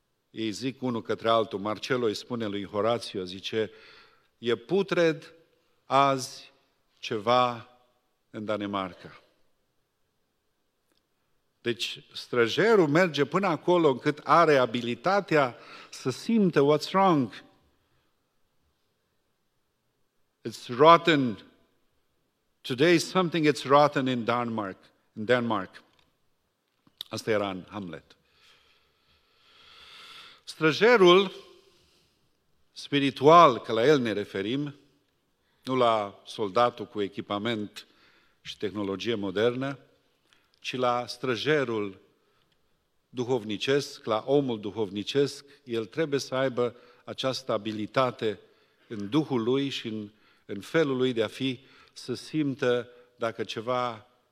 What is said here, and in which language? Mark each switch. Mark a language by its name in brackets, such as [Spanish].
[Romanian] Ei zic unul către altul, Marcello îi spune lui Horatio, zice, e putred azi ceva în Danemarca. Deci străjerul merge până acolo încât are abilitatea să simtă [English] what's wrong. It's rotten. Today something is rotten in Denmark. [Romanian] Asta era în Hamlet. Străjerul spiritual, că la el ne referim, nu la soldatul cu echipament și tehnologie modernă, ci la străjerul duhovnicesc, la omul duhovnicesc, el trebuie să aibă această abilitate în duhul lui și în felul lui de a fi, să simtă dacă ceva